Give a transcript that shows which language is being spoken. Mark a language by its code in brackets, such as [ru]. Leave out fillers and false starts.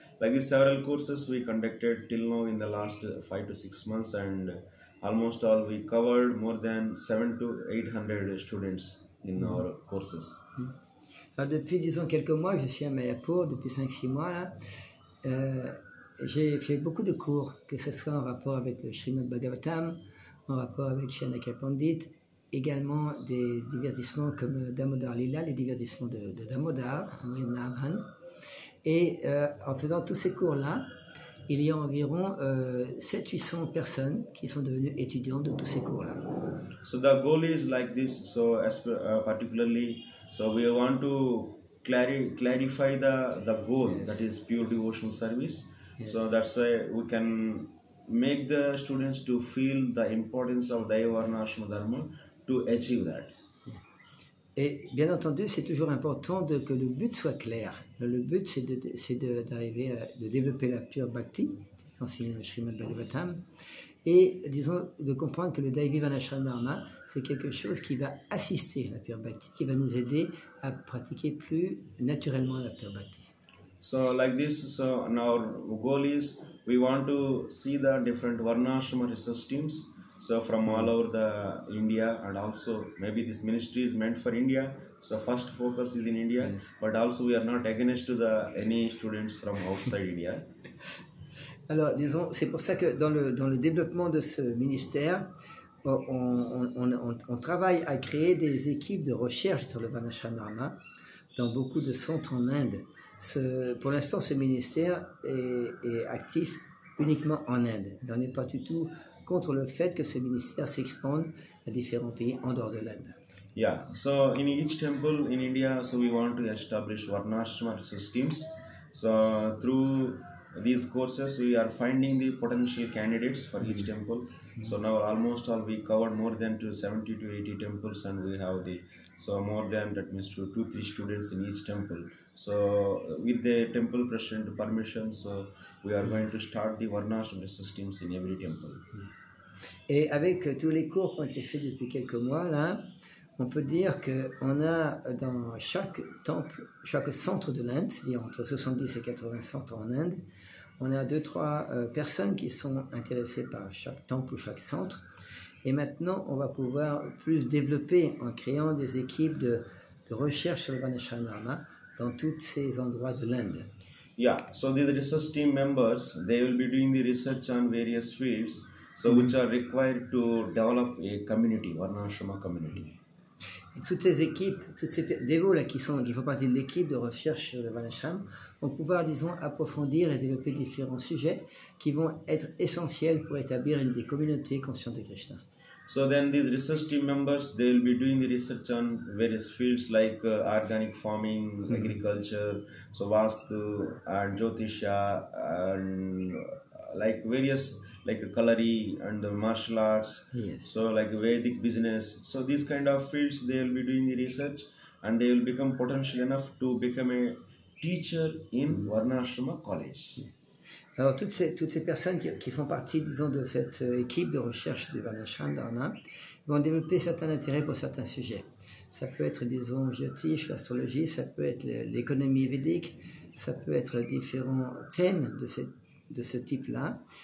[en] Like this, several courses we conducted till now in the last 5 to 6 months, and almost all we covered more than 700 to 800 students in our courses. [fr] Alors depuis, disons, quelques mois, je suis à Mayapur, depuis 5-6 mois, là, j'ai fait beaucoup de cours, que ce soit en rapport avec le Srimad Bhagavatam, en rapport avec Chanakya Pandit, également des divertissements comme Damodar Lila, les divertissements de Damodar, Amrit Navan. Et en faisant tous ces cours-là, il y a environ 700-800 personnes qui sont devenues étudiantes de tous ces cours-là. [en] So the goal is like this. So particularly, so we want to clarify the goal, yes, that is pure devotional service. Yes. So that's why we can make the students to feel the importance of Daivarnashrama Dharma to achieve that. [fr] Et bien entendu, c'est toujours important que le but soit clair. Le but, c'est d'arriver à développer la pure bhakti, enseigner le Srimad Bhagavatam, et disons, de comprendre que le Daivarnashrama Dharma, c'est quelque chose qui va assister à la pure bhakti, qui va nous aider à pratiquer plus naturellement la pure bhakti. [en] So like this, so our goal is, we want to see the different Varnashrama resource teams, so from all over the India, and also maybe this ministry is meant for India, so first focus is in India, yes, but also we are not against to the any students from outside India. [fr] Alors disons, c'est pour ça que dans le développement de ce ministère, on travaille à créer des équipes de recherche sur le Varnashrama Dharma dans beaucoup de centres en Inde. Pour l'instant, ce ministère est actif uniquement en Inde. Il n'en est pas du tout contre le fait que ce ministère s'expande à différents pays en dehors de l'Inde. [en] Yeah, so in each temple in India, so we want to establish Varnashrama systems. So through these courses, we are finding the potential candidates for each temple. So now almost all we covered more than to 70 to 80 temples, and we have the so more than that means to 2-3 students in each temple. So with the temple president permission, so we are going to start the Varnashrama systems in every temple. [fr] Et avec tous les cours qui ont été faits depuis quelques mois là, on peut dire que on a dans chaque temple, chaque centre de l'Inde, il y a entre 70 et 80 centres en Inde, on a 2-3 personnes qui sont intéressées par chaque temple ou chaque centre. Et maintenant, on va pouvoir plus développer en créant des équipes de recherche sur le Varnashrama dans tous ces endroits de l'Inde. [en] Yeah, so these research team members, they will be doing the research on various fields, so which are required to develop a community, Varnashrama community. [fr] Et toutes ces équipes, toutes ces dévots là qui font partie de l'équipe de recherche sur le Varnashrama, vont pouvoir, disons, approfondir et développer différents sujets qui vont être essentiels pour établir une des communautés conscientes de Krishna. [en] So then these research team members, they will be doing the research on various fields like organic farming, agriculture, so vastu and jyotisha and like various like kalari and the martial arts, yes. So like Vedic business, so these kind of fields they will be doing the research, and they will become potential enough to become a teacher in Varnashrama college. [fr] Alors toutes ces personnes qui font partie, disons, de cette équipe de recherche du Varnashrama vont développer certains intérêts pour certains sujets. Ça peut être, disons, jyotish, l'astrologie, ça peut être l'économie védique, ça peut être différents thèmes de ce type-là.